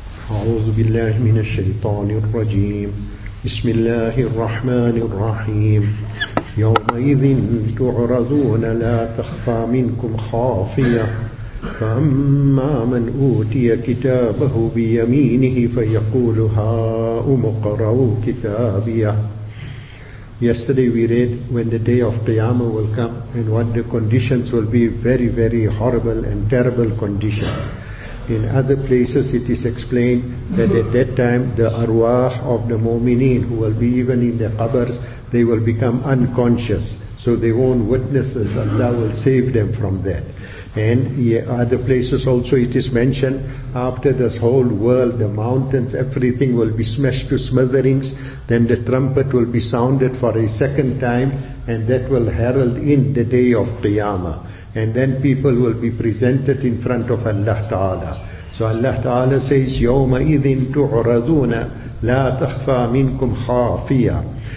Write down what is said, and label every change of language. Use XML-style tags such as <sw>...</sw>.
<ar>أعوذ بالله من الشيطان الرجيم. بسم الله الرحمن الرحيم. يومئذ تعرضون لا تخفى منكم خافية. فأما من أوتي كتابه بيمينه فيقول هاؤم اقرءوا كتابيه.</ar> <en>Yesterday we read when the day of Qiyamah will come and what the conditions will be, very, very horrible and terrible conditions. In other places it is explained that at that time the arwah of the mu'mineen who will be even in the qabrs, they will become unconscious. So they won't witness this. Allah will save them from that. And other places also it is mentioned, after this whole world, the mountains, everything will be smashed to smithereens. Then the trumpet will be sounded for a second time, and that will herald in the day of Qiyamah. And then people will be presented in front of Allah Ta'ala. So Allah Ta'ala says,</en> <ar>يَوْمَ إِذٍ تُعْرَضُونَ لَا تَخْفَى مِنْكُمْ خَافِيَةً.</ar>